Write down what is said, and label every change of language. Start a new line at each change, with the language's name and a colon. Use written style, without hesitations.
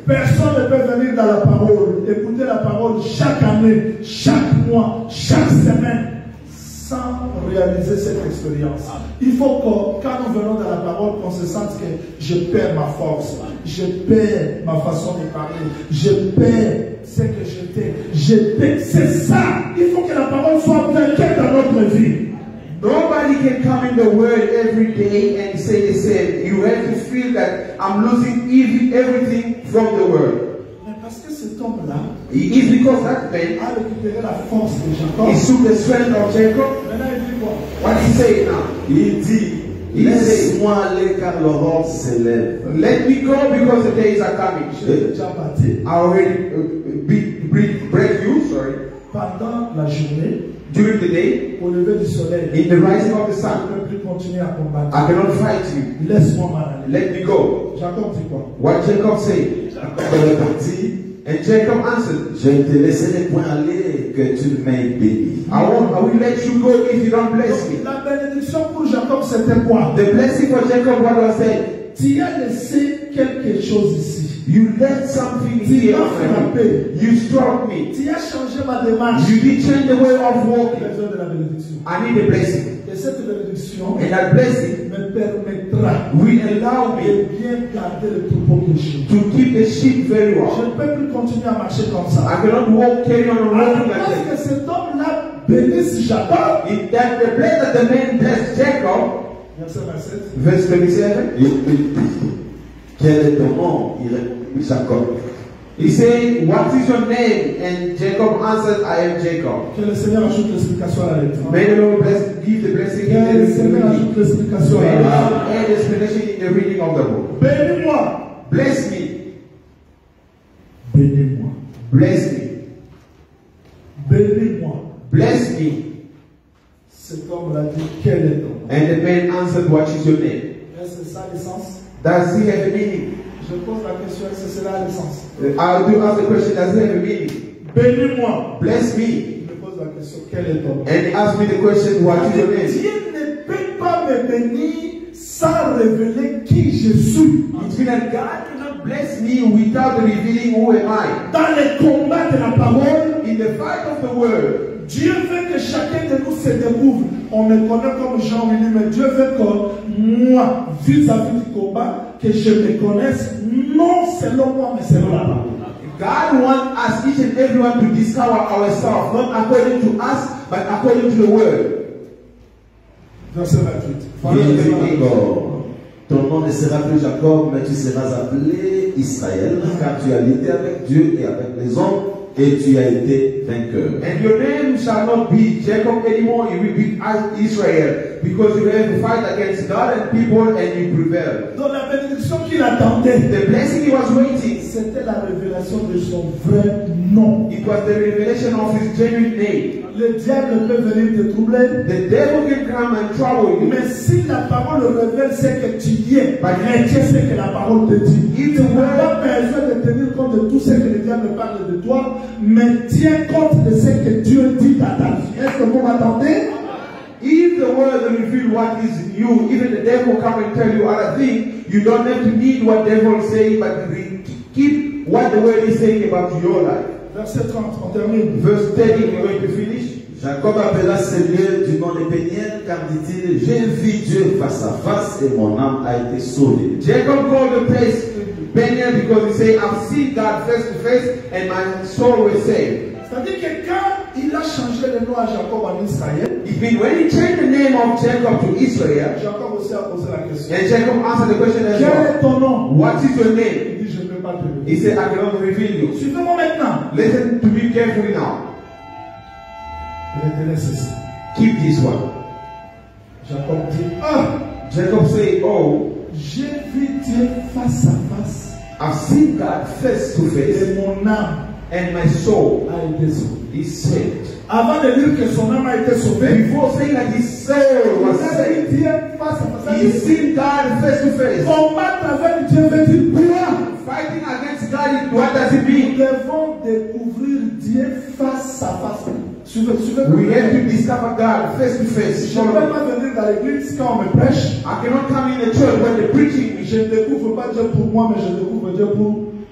French: Personne ne peut venir dans la parole, écouter la parole chaque année, chaque mois, chaque semaine, sans réaliser cette expérience. Il faut que, quand nous venons dans la parole, qu'on se sente que je perds ma force, je perds ma façon de parler, je perds ce que j'étais, je perds. C'est ça. Il faut que la parole soit vainquée dans notre vie.
English: Nobody can come in the word every day and say the same. You have to feel that I'm losing everything from the word.
French: Mais parce que cet homme-là,
English: it is because that man
French: a récupéré la force de Jacob.
English: He took the strength of Jacob. What he say now?
French: He dit, laisse-moi aller car l'aurore s'élève.
English: Let me go because the days are coming. I already break you, sorry.
French: Pendant la journée,
English: during the day,
French: au lever du soleil,
English: in the rising of the sun,
French: je ne peux plus continuer à combattre.
English: I cannot fight you.
French: Laisse-moi m'en aller.
English: Let me go.
French: Jacob dit quoi?
English: What Jacob say?
French: Jacob est parti.
English: And Jacob answered,
French: je ne te laisserai point aller que tu ne m'aies béni.
English: I will let you go if you don't bless me.
French: La bénédiction pour Jacob c'était quoi?
English: The blessing for Jacob, what was it?
French: Tu as laissé quelque chose ici.
English: You left something here.
French: Tu as frappé.
English: You struck me.
French: Tu as changé ma démarche.
English: You did change the way of walking.
French: J'ai besoin de la bénédiction.
English: I need a blessing.
French: Et cette bénédiction
English: and that blessing
French: me permettra
English: will allow me
French: de bien garder le troupeau de chien.
English: To keep the sheep very well.
French: Je ne peux plus continuer à marcher comme ça.
English: I cannot walk, carry on walking like that.
French: Que cet homme-là bénisse Jacob.
English: In that the place that the man blessed Jacob.
French: Verset 27. Il dit, quel est ton nom? Il répondit Jacob.
English: He said, what is your name? And Jacob answered, I am Jacob.
French: Que le Seigneur ajoute l'explication à la lettre.
English: May the Lord bless, give the blessing.
French: Que le Seigneur ajoute l'explication à la lettre.
English: And explanation in the reading of the book.
French: Bénis-moi.
English: Bless me.
French: Bénis-moi.
English: Bless me.
French: Bénis-moi.
English: Bless me.
French: Cet homme l'a dit, quel est ton nom?
English: And the man answered, what is your name?
French: Est-ce ça le sens?
English: Does he have a meaning?
French: Je pose la question, est-ce que cela a le sens?
English: I do ask the question, does he have a meaning?
French: Bénis-moi.
English: Bless me.
French: Je pose la question, quel est ton nom?
English: And he asked me the question, what is your name?
French: Dieu ne peut pas me bénir sans révéler qui je suis.
English: It means that God cannot bless me without revealing who am I.
French: Dans le combat de la parole,
English: in the fight of the word,
French: Dieu veut que chacun de nous se découvre. On me connaît comme Jean-Louis, mais Dieu veut que moi, vis-à-vis du combat, que je me connaisse, non selon moi, mais selon la parole.
English: God wants us, each and everyone, to discover ourselves, not according to us, but according to the word.
French: Verset 28. Ton nom ne sera plus Jacob, mais tu seras appelé Israël, car tu as lutté avec Dieu et avec les hommes. Et tu as été vainqueur.
English: And your name shall not be Jacob anymore, it will be Israel, because you have to fight against God and people and you prevail.
French: Donc la bénédiction qu'il attendait,
English: the blessing he was waiting,
French: c'était la révélation de son vrai nom.
English: It was the revelation of his genuine name.
French: Le diable peut venir te troubler.
English: The devil can come and trouble you.
French: Mais si la parole révèle ce que tu es, par exemple, ce que la parole te dit, il te n'a pas besoin de tenir compte de tout ce que le diable parle de toi, mais tiens compte de ce que Dieu dit à ta vie. Est-ce que vous m'entendez?
English: If the word reveals what is in you, even the devil come and tell you other things, you don't have to need what the devil is saying, but keep what the word is saying about your life.
French: Verset 30, on termine.
English: Verse 30, we're going to finish.
French: Jacob appela ce lieu du nom de Peniel, car dit-il, j'ai vu Dieu face à face et mon âme a été sauvée.
English: Jacob called the place Peniel because he said, I've seen God face to face and my soul was saved.
French: C'est-à-dire que quand il a changé le nom à Jacob en Israël,
English: it means when he changed the name of Jacob to Israel,
French: Jacob aussi a posé la question.
English: And Jacob answered the question as well.
French: Quel est ton nom?
English: What is your name?
French: Il dit, je ne peux pas te dire.
English: He said, I cannot reveal you.
French: Suivez-moi maintenant.
English: Listen to me carefully now.
French: Retenez ceci.
English: Keep this one.
French: Jacob dit,
English: Jacob said, oh,
French: j'ai vu Dieu face à face.
English: I've seen God face to face.
French: Et mon âme.
English: And my soul,
French: a été
English: he said. Avant de dire que son âme a été sauvée, before saying that his soul was saved, he said, he seen God face to face.
French: Combattre avec Dieu veut dire quoi?
English: Fighting against God, what does it mean?
French: Nous devons découvrir Dieu face à face. Suivez.
English: We have to discover God face to face.
French: Je ne peux pas venir dans l'église quand on me prêche.
English: I cannot come in the church when they're preaching.
French: Je ne découvre pas Dieu pour moi, mais je découvre Dieu pour.